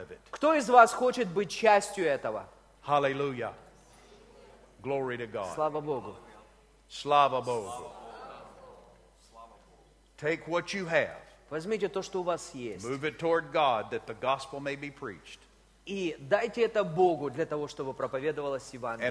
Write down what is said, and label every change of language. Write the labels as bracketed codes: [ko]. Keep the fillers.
[ru] Кто из вас хочет быть частью этого? Аллилуйя! Слава Богу! Слава Богу. Слава, Богу. Слава Богу. [en] Take what you have. [ru] Возьмите то, что у вас есть. [en] Move it toward God, that the gospel may be preached. [ru] И дайте это Богу для того, чтобы проповедовалось Евангелие.